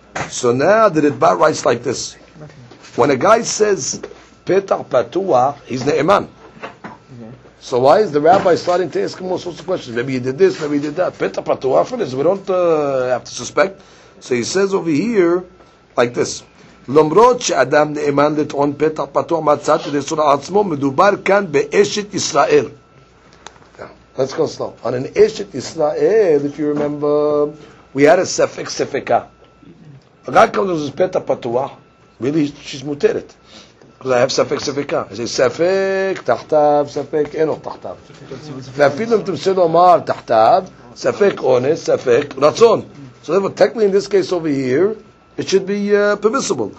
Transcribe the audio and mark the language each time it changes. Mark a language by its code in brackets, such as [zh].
[en] So now the Ritba writes like this. When a guy says Peta Patua, he's Ne'eman. So why is the rabbi starting to ask him all sorts of questions? Maybe he did this, maybe he did that. Peta Patua for this. We don't have to suspect. So he says over here like this. [he] למרות שאדם נאמן לטעון פתח פתוח מצאת לסור עצמו, מדובר כאן באשת ישראל. [en] Let's go slow. On an אשת ישראל, if you remember, we had a ספק ספקה. A guy comes with his פתח פתוח, really she's מותרת. Because I have ספק ספקה. I say [he] ספק, תחתיו, ספק, אינו תחתיו. ואפילו אם תמצא לומר תחתיו, ספק אונס, ספק רצון. [en] So technically in this case over here, it should be permissible.